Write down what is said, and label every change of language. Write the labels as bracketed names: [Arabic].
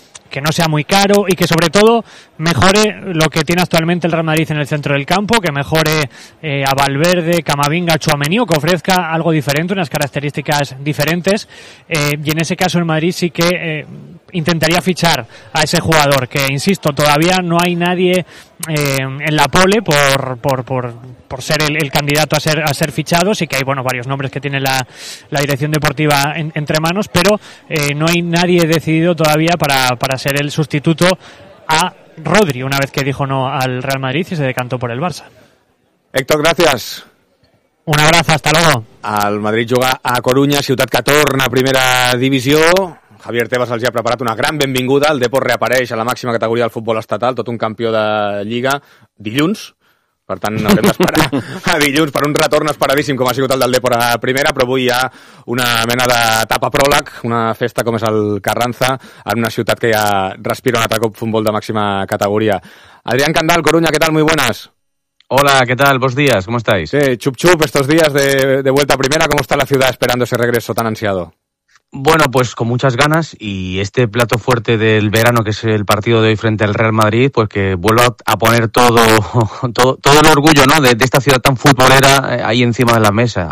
[Spanish] que no sea muy caro y que sobre todo mejore lo que tiene actualmente el Real Madrid en el centro del campo, que mejore a Valverde, Camavinga, Tchouaméni, que ofrezca algo diferente, unas características diferentes, y en ese caso el Madrid sí que intentaría fichar a ese jugador, que insisto, todavía no hay nadie en la pole por ser el candidato a ser fichado. Sí que hay varios nombres que tiene la dirección deportiva entre manos, pero no hay nadie decidido todavía para ser el sustituto a Rodri, una vez que dijo no al Real Madrid y se decantó por el Barça. Héctor, gracias. Un abrazo, hasta luego. [Catalan] Al Madrid juga a Coruña, ciutat que torna a primera divisió. Javier Tebas els ha preparat una gran benvinguda. El Depor reapareix a la màxima categoria del futbol estatal, tot un campió de Lliga, dilluns, Per tant, haurem d'esperar a dilluns per un retorn esperadíssim, com ha sigut el del Depor a primera, però avui hi ha una mena d'etapa pròleg, una festa com és el Carranza, en una ciutat que ja respira un altre cop futbol de màxima categoria. Adrián Candal, Coruña, què tal? [Spanish] Muy buenas. Hola, ¿qué tal? Buenos días, ¿cómo estáis? Sí, chup chup, estos días de vuelta a primera, ¿cómo está la ciudad esperando ese regreso tan ansiado? Bueno, pues con muchas ganas, y este plato fuerte del verano, que es el partido de hoy frente al Real Madrid, pues que vuelva a poner todo el orgullo, ¿no?, de esta ciudad tan futbolera ahí encima de la mesa.